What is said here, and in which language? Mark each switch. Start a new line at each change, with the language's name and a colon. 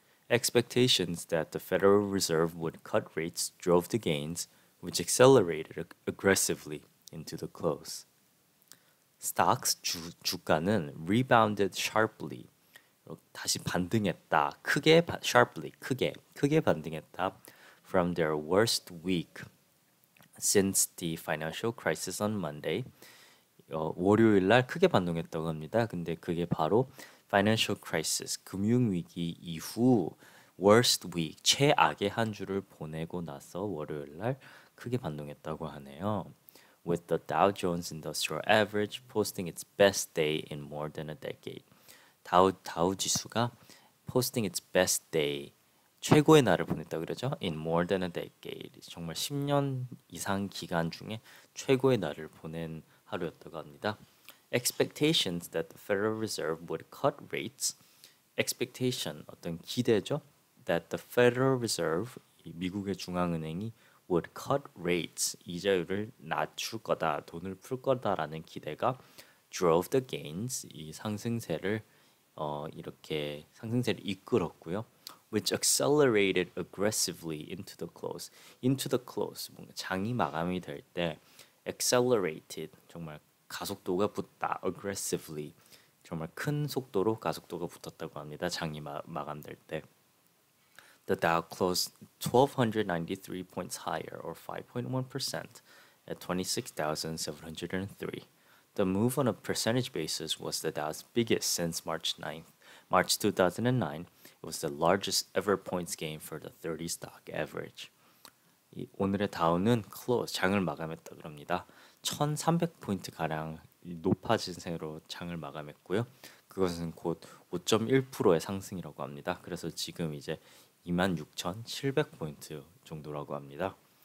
English: Expectations that the Federal Reserve would cut rates drove the gains, which accelerated aggressively into the close.
Korean: 스탁스 주가는
English: rebounded sharply,
Korean: 다시 반등했다. 크게 반등했다.
English: From their worst week since the financial crisis on Monday.
Korean: 월요일 날 크게 반동했다고 합니다. 근데 그게 바로
English: financial crisis,
Korean: 금융위기 이후
English: worst week,
Korean: 최악의 한 주를 보내고 나서 월요일 날 크게 반동했다고 하네요.
English: With the Dow Jones Industrial Average posting its best day in more than a decade.
Korean: 다우 지수가
English: posting its best day,
Korean: 최고의 날을 보냈다 그러죠?
English: In more than a decade.
Korean: 정말 10년 이상 기간 중에 최고의 날을 보낸 하루였다고 합니다.
English: Expectations that the Federal Reserve would cut rates.
Korean: Expectation, 어떤 기대죠?
English: That the Federal Reserve,
Korean: 미국의 중앙은행이
English: would cut rates,
Korean: 이자율을 낮출 거다, 돈을 풀 거다라는 기대가
English: drove the gains,
Korean: 이 상승세를 이렇게 상승세를 이끌었고요.
English: Which accelerated aggressively into the close. Into the close,
Korean: 뭔가 장이 마감이 될때 accelerated, 정말 가속도가 붙다, aggressively, 정말 큰 속도로 가속도가 붙었다고 합니다. 장이 마감될 때.
English: The Dow closed 1,293 points higher, or 5.1%, at 26,703. The move on a percentage basis was the Dow's biggest since March 2009. It was the largest ever points gain for the 30 stock average.
Korean: 오늘의 다우는 close, 장을 마감했다고 합니다. 1,300포인트 가량 높아진 세로 장을 마감했고요. 그것은 곧 5.1%의 상승이라고 합니다. 그래서 지금 이제 26,700포인트 정도라고 합니다.